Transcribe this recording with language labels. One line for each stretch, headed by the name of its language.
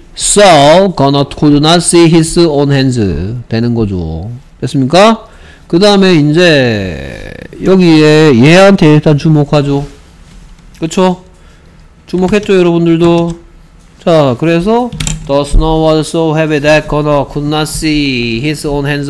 English: So, Gunnar could not see his own hands.
Korean: 되는 거죠. 됐습니까? 그 다음에 이제 여기에 얘한테 일단 주목하죠. 그쵸? 주목했죠 여러분들도? 자, 그래서
English: The snow was so heavy that Gunnar could not see his own hands.